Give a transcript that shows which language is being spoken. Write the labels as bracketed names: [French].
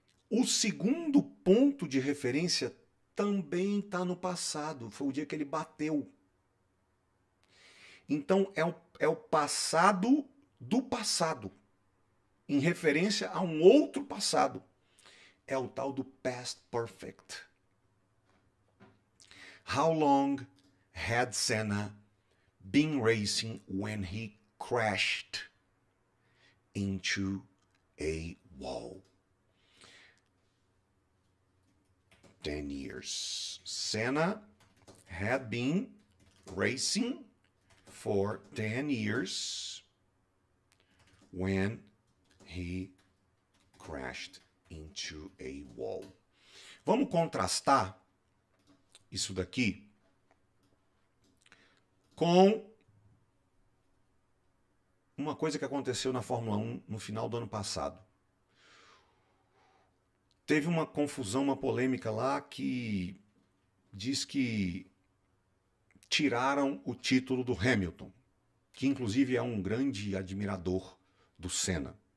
[Portuguese] O segundo ponto de referência também está no passado, foi o dia que ele bateu. Então, é o passado do passado, em referência a um outro passado. É o tal do past perfect. [English] How long had Senna been racing when he crashed into a wall? 10 years. Senna had been racing for 10 years when he crashed into a wall. [Portuguese] Vamos contrastar isso daqui com uma coisa que aconteceu na Fórmula 1 no final do ano passado. Teve uma confusão, uma polêmica lá que diz que tiraram o título do Hamilton, que inclusive é um grande admirador do Senna.